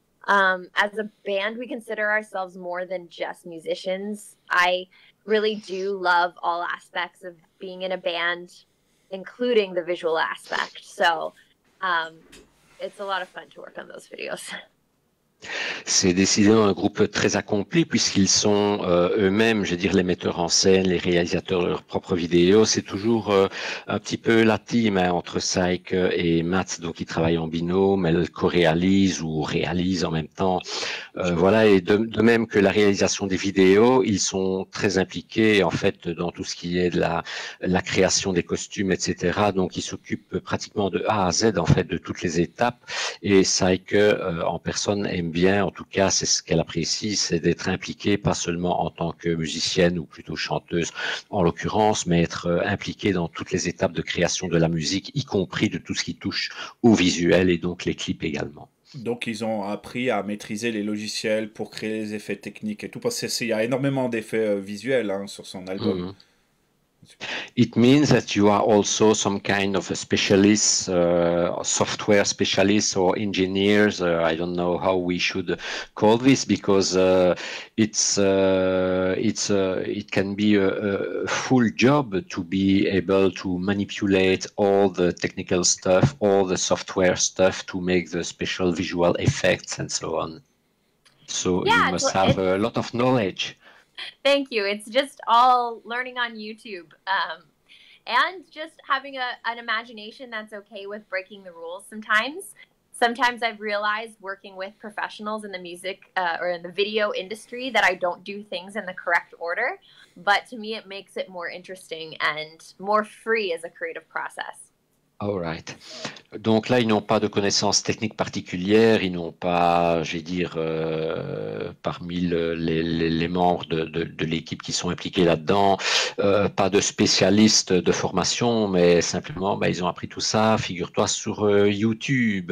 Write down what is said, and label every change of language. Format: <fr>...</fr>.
<en>As a band, we consider ourselves more than just musicians. I really do love all aspects of being in a band, including the visual aspect. So, it's a lot of fun to work on those videos.</en> <fr>C'est décidément un groupe très accompli puisqu'ils sont eux-mêmes, je veux dire, les metteurs en scène, les réalisateurs de leurs propres vidéos. C'est toujours un petit peu la team, hein, entre Syke et Matt, donc ils travaillent en binôme, elles co-réalisent ou réalisent en même temps. Voilà, et de même que la réalisation des vidéos, ils sont très impliqués en fait dans tout ce qui est de la création des costumes, etc. Donc ils s'occupent pratiquement de A à Z en fait de toutes les étapes, et Syke en personne aime bien, en tout cas c'est ce qu'elle apprécie, c'est d'être impliquée, pas seulement en tant que musicienne ou plutôt chanteuse en l'occurrence, mais être impliquée dans toutes les étapes de création de la musique, y compris de tout ce qui touche au visuel et donc les clips également. Donc, ils ont appris à maîtriser les logiciels pour créer les effets techniques et tout, parce qu'il y a énormément d'effets visuels, hein, sur son album.</fr> <en>It means that you are also some kind of a specialist, software specialist or engineers. I don't know how we should call this because it can be a full job to be able to manipulate all the technical stuff, all the software stuff to make the special visual effects and so on. So you Yeah, must have a lot of knowledge. thank you. It's just all learning on YouTube, and just having an imagination that's okay with breaking the rules sometimes. Sometimes I've realized working with professionals in the music or in the video industry that I don't do things in the correct order, but to me it makes it more interesting and more free as a creative process. All right.</en> <fr>Donc là, ils n'ont pas de connaissances techniques particulières, ils n'ont pas, je vais dire, parmi les membres de l'équipe qui sont impliqués là-dedans, pas de spécialistes de formation, mais simplement, ben, ils ont appris tout ça, figure-toi, sur YouTube,</fr>